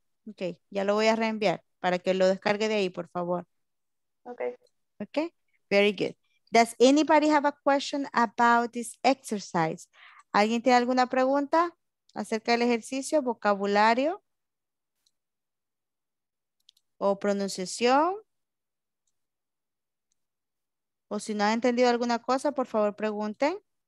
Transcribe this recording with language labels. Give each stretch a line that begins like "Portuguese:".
Spanish: Okay, ya lo voy a reenviar para que lo descargue de ahí, por favor.
English: Okay. Okay, very good. Does anybody have a question about this exercise?
Spanish: ¿Alguien tiene alguna pregunta acerca del ejercicio, vocabulario o pronunciación? O si no han entendido alguna cosa, por favor pregunten.